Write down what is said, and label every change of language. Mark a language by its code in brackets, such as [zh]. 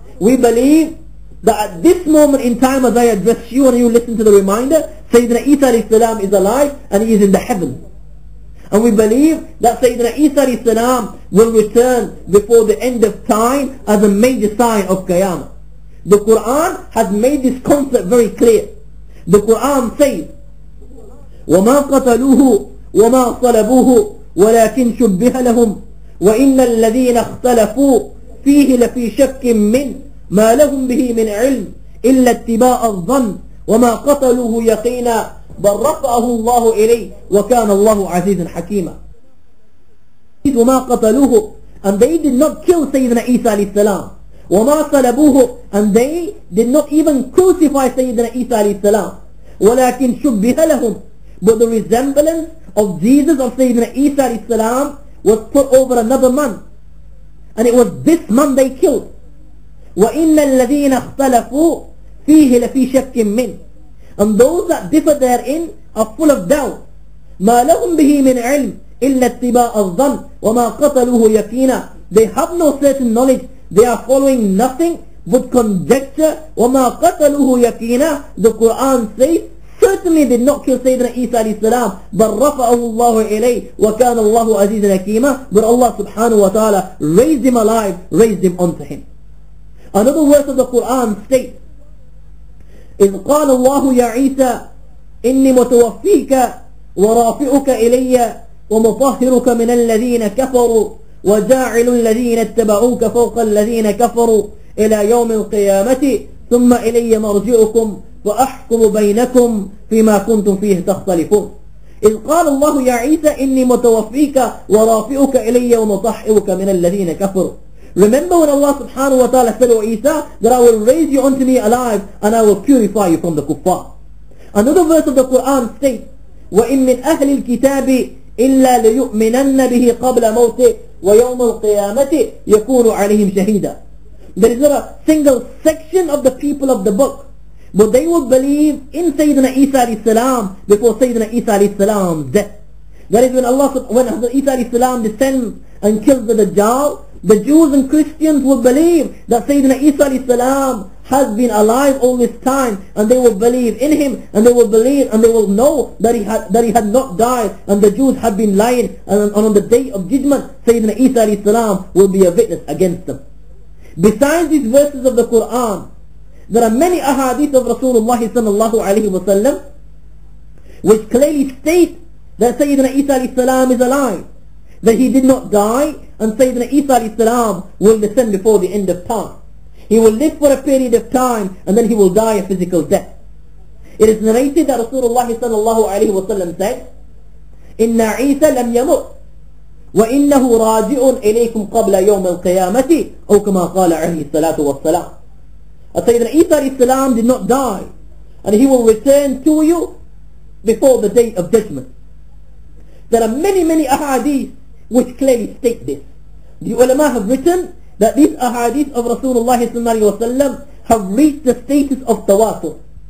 [en] We believe that at this moment in time, as I address you and you listen to the reminder, Sayyidina Isa alayhi salam is alive and he is in the heavens. And we believe that Sayyidina Isa alayhi salam will return before the end of time as a major sign of Qiyamah. The Quran has made this concept very clear. The Quran says, [ar] وَمَا قَتَلُوهُ وَمَا صَلَبُوهُ وَلَكِنْ شُبِّهَ لَهُمْ وَإِنَّ الَّذِينَ اخْتَلَفُوا فِيهِ لَفِي شَكٍّ مِّنْ مَا لَهُمْ بِهِ مِنْ عِلْمٍ إِلَّا اتِّبَاءَ الظَّنِّ وَمَا قَتَلُوهُ يَقِينًا بَلْ رَفَعَهُ اللَّهُ إِلَيْهِ وَكَانَ اللَّهُ عَزِيزًا حَكِيمًا. وَمَا قَتَلُوهُ, [en] and they did not kill Sayyidina Isa alayhi salam. [ar] وَمَا صَلَبُوهُ, [en] and they did not even crucify Sayyidina Isa alayhi salam. [ar] وَلَكِنْ شُبِّهَ لَهُمْ, [en] but the resemblance of Jesus of Sayyidina Isa alayhi salam was put over another man, and it was this man they killed. [ar] وَإِنَّ الَّذِينَ اخْتَلَفُوا فِيهِ لَفِي شَكٍّ مِّنْ, [en] and those that differ therein are full of doubt. [ar] مَا لَهُمْ بِهِ مِنْ عِلْمٍ إِلَّا اتِّبَاءَ الظَّنِّ وَمَا قَتَلُوهُ يَقِينًا, [en] they have no certain knowledge, they are following nothing but conjecture. [ar] وَمَا قَتَلُوهُ يَقِينًا, [en] the Quran says, certainly did not kill Sayyidina Isa alayhi salam, [ar] بَلْ رَفَعَهُ اللَّهُ إِلَيْهِ وَكَانَ اللَّهُ عَزِيزًا حَكِيمًا, [en] but Allah subhanahu wa ta'ala raised him alive, raised him unto him. Another verse of the Quran states, [ar] إِذْ قَالَ اللَّهُ يَا عِيسَى إِنِّي مُتَوَفِّيكَ وَرَافِئُكَ إِلَيَّ وَمُطَهِّرُكَ مِنَ الَّذِينَ كَفَرُوا وَجَاعِلُ الَّذِينَ اتَّبَعُوكَ فَوْقَ الَّذِينَ كَفَرُوا إِلَى يَوْمِ الْقِيَامَةِ ثُمَّ إِلَيَّ مَرْجِعُكُمْ وَأَحْكُمُ بَيْنَكُمْ فِيمَا كُنْتُمْ فِيهِ تَخْتَلِفُونَ. إِذْ قَالَ اللَّهُ يَا عِيسَى إِنِّي مُتَوَفِّيكَ وَرَافِئُكَ إِلَيَّ وَمُطَهِّرُكَ مِنَ الَّذِينَ كَفَرُوا. [en] Remember when Allah subhanahu wa ta'ala said to Isa that I will raise you unto me alive and I will purify you from the kuffar. Another verse of the Quran states, [ar] وَإِن مِّنْ أَهْلِ الْكِتَابِ إِلَّا لَيُؤْمِنَنَّ بِهِ قَبْلَ مَوْتِ وَيَوْمَ الْقِيَامَةِ يَكُونُ عَلَيْهِمْ شَهِيدًا. [en] There is not a single section of the people of the book, but they will believe in Sayyidina Isa alayhi salam before Sayyidina Isa alayhi salam's death. That is when Allah, when Isa alayhi salam descends and kills the Dajjal, the Jews and Christians will believe that Sayyidina Isa alayhi salam has been alive all this time, and they will believe in him, and they will believe and they will know that he had not died, and the Jews have been lying, and on the day of judgment Sayyidina Isa alayhi salam will be a witness against them. Besides these verses of the Quran, there are many ahadith of Rasulullah sallallahu alayhi wa sallam which clearly state that Sayyidina Isa alayhi salam is alive, that he did not die, and Sayyidina Isa alayhi salam will descend before the end of time. He will live for a period of time and then he will die a physical death. It is narrated that Rasulullah sallallahu alayhi wa sallam said, [ar] إِنَّ عِيسَى لَمْ يَمُؤْ وَإِنَّهُ رَاجِعٌ إِلَيْكُمْ قَبْلَ يَوْمَ الْقِيَامَةِ أَوْ كَمَا قَالَ عَلَيْهِ الصَّلَاةُ وَالسَّلَامُ. [en] Sayyidina Isa alayhi salam did not die, and he will return to you before the day of judgment. There are many ahadith which clearly state this. The ulama have written that these ahadith of Rasulullah have reached the status of tawatir.